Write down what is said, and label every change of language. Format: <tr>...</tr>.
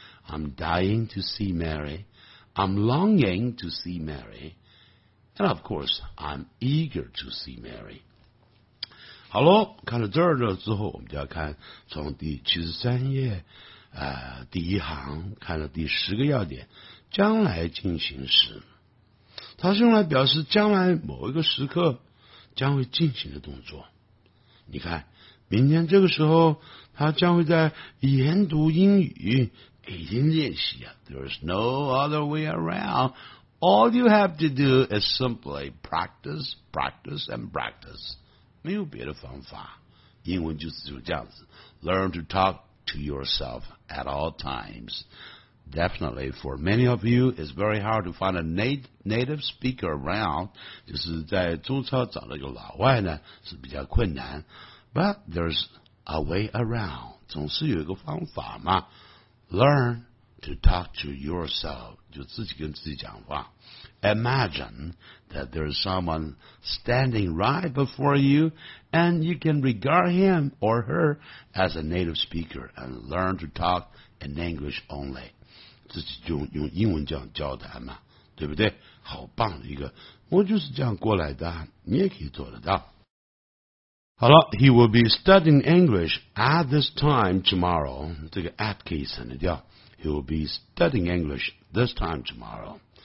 <en>I'm dying to see Mary. I'm longing to see Mary. And of course, I'm eager to see Mary.</en> <zh>好喽，看了这儿了之后，我们就要看从第73页、第一行看了第十个要点，将来进行时。它是用来表示将来某一个时刻将会进行的动作。你看，明天这个时候，他将会在研读英语，已经练习啊。</zh> <en>There's no other way around. All you have to do is simply practice, practice, and practice.</en> <zh>没有别的方法，英文就是这样子。</zh> <en>Learn to talk to yourself at all times. Definitely, for many of you, it's very hard to find a native speaker around.</en> <zh>就是在中超找到一个老外呢，是比较困难。</zh> <en>But there's a way around.</en> <zh>总是有一个方法嘛。</zh> <en>Learn to talk to yourself.</en> <zh>就自己跟自己讲话。</zh> <en>Imagine that there's someone standing right before you, and you can regard him or her as a native speaker and learn to talk in English only.</en> <zh>自己就用英文这样交谈嘛，对不对？好棒的一个，我就是这样过来的，你也可以做得到。</zh> <en>好了 ，He will be studying English at this time tomorrow。</en> <zh>这个 at 可以省得掉</zh> <en>，He will be studying English this time tomorrow。</en>